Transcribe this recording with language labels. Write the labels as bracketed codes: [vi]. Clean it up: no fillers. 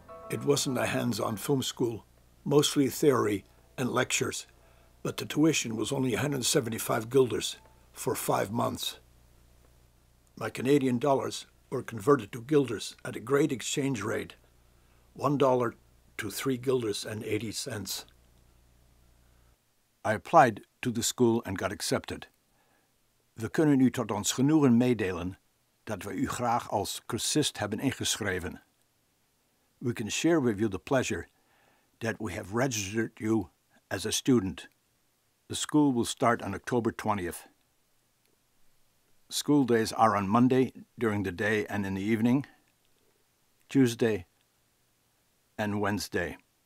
[en] It wasn't a hands-on film school, mostly theory and lectures, but the tuition was only 175 guilders for 5 months. My Canadian dollars were converted to guilders at a great exchange rate, $1 to 3 guilders and 80 cents. I applied to the school and got accepted. [nl] We kunnen u tot ons genoegen meedelen dat we u graag als cursist hebben ingeschreven. [en] We can share with you the pleasure that we have registered you as a student. The school will start on October 20th. School days are on Monday during the day and in the evening, Tuesday and Wednesday.